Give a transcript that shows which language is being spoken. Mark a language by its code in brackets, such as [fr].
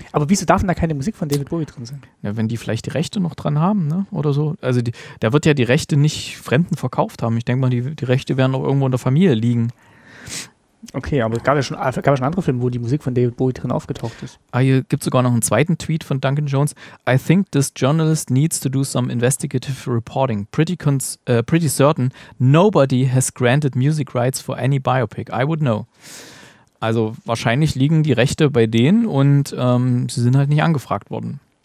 [de] Aber wieso darf denn da keine Musik von David Bowie drin sein? Ja, wenn die vielleicht die Rechte noch dran haben, ne? Oder so. Also der wird ja die Rechte nicht Fremden verkauft haben. Ich denke mal, die Rechte werden auch irgendwo in der Familie liegen. Okay, aber es gab ja schon andere Filme, wo die Musik von David Bowie drin aufgetaucht ist. Ah, hier gibt es sogar noch einen zweiten Tweet von Duncan Jones. [en] I think this journalist needs to do some investigative reporting. Pretty certain nobody has granted music rights for any biopic. I would know. [de] Also wahrscheinlich liegen die Rechte bei denen und sie sind halt nicht angefragt worden.